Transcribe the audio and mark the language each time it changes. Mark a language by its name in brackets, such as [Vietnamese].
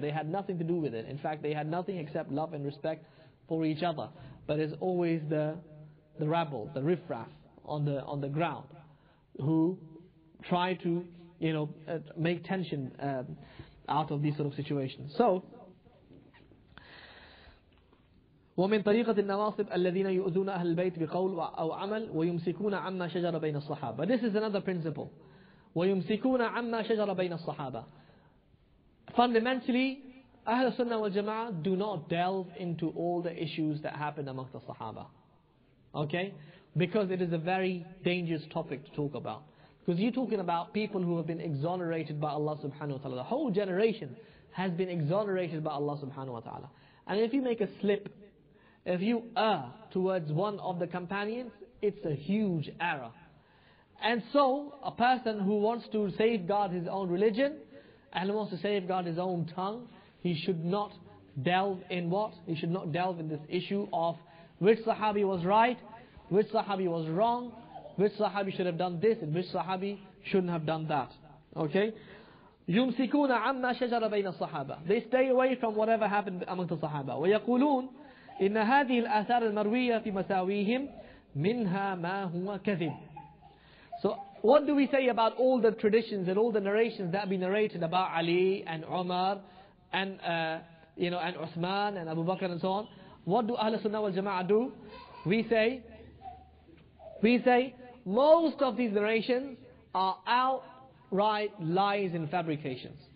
[English] They had nothing to do with it. In fact, they had nothing except love and respect for each other. But it's always the rabble, the riffraff on the ground, who try to, you know, make tension out of these sort of situations. So, [Arabic] ومن طريقة النواصب الذين يؤذون أهل البيت بقول أو عمل ويمسكون عما شجر بين الصحابة. [English] But this is another principle. [Arabic] ويمسكون عما شجر بين الصحابة. [English] Fundamentally, أهل السنة والجماعة do not delve into all the issues that happened among the Sahaba. Okay? Because it is a very dangerous topic to talk about. Because you're talking about people who have been exonerated by Allah subhanahu wa ta'ala. The whole generation has been exonerated by Allah subhanahu wa ta'ala. And if you make a slip, if you err towards one of the companions, it's a huge error. And so, a person who wants to safeguard his own religion, and wants to safeguard his own tongue, he should not delve in what? He should not delve in this issue of which Sahabi was right, which Sahabi was wrong, which Sahabi should have done this, and which Sahabi shouldn't have done that. Okay? [Arabic] يُمْسِكُونَ عَمَّا شَجَرَ بَيْنَ الصَّحَابَةِ. [English] They stay away from whatever happened among the Sahaba. [Arabic] وَيَقُولُونَ إن هذه الآثار المروية في مساويهم منها ما هو كذب. [English] So What do we say about all the traditions and all the narrations that have been narrated about Ali and Umar and and Uthman and Abu Bakr and so on? What do Ahl Sunnah wal Jama'ah do? We say most of these narrations are outright lies and fabrications.